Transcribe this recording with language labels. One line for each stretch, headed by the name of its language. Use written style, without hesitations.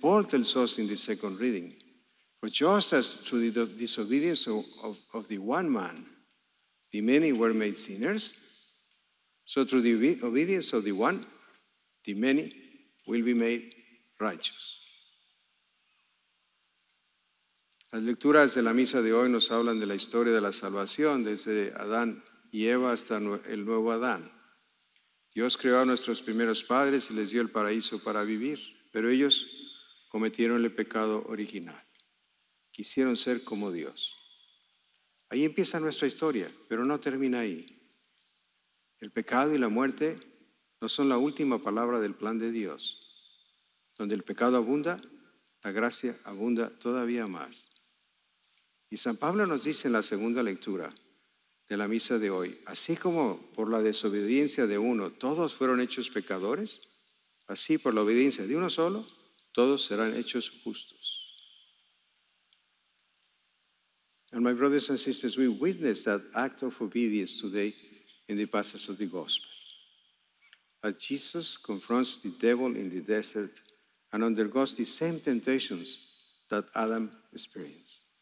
English: Paul tells us in the second reading, for just as through the disobedience of the one man, the many were made sinners, so through the obedience of the one, the many will be made righteous.
Spanish: Las lecturas de la misa de hoy nos hablan de la historia de la salvación desde Adán y Eva hasta el nuevo Adán. Dios creó a nuestros primeros padres y les dio el paraíso para vivir, pero ellos cometieron el pecado original. Quisieron ser como Dios. Ahí empieza nuestra historia, pero no termina ahí. El pecado y la muerte no son la última palabra del plan de Dios. Donde el pecado abunda, la gracia abunda todavía más. Y San Pablo nos dice en la segunda lectura de la misa de hoy, así como por la desobediencia de uno todos fueron hechos pecadores, así por la obediencia de uno solo, todos serán hechos justos.
English: And my brothers and sisters, we witness that act of obedience today in the passage of the gospel. As Jesus confronts the devil in the desert and undergoes the same temptations that Adam experienced.